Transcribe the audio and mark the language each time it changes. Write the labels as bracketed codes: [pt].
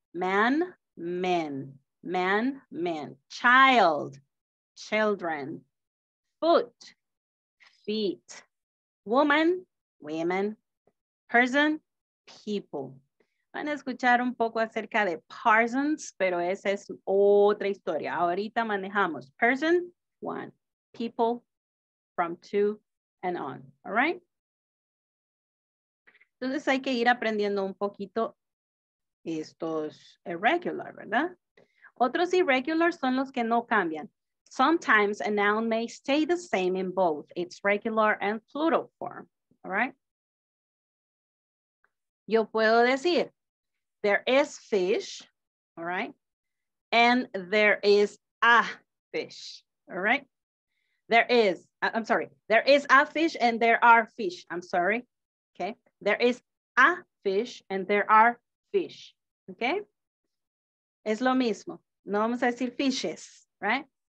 [en] Man, men, man, men. Child, children. Foot, feet. Woman, women. Person, people. [es] Van a escuchar un poco acerca de persons, pero esa es otra historia. Ahorita manejamos [en] person, one, people, from two, and on, all right? [es] Entonces hay que ir aprendiendo un poquito estos irregular, ¿verdad? Otros irregular son los que no cambian. [en] Sometimes a noun may stay the same in both its regular and plural form, all right? [es] Yo puedo decir, [en] there is fish, all right? And there is a fish, all right? There is a fish and there are fish, I'm sorry, okay? There is a fish and there are fish, okay? [es] Es lo mismo, no vamos a decir fishes, [en] right?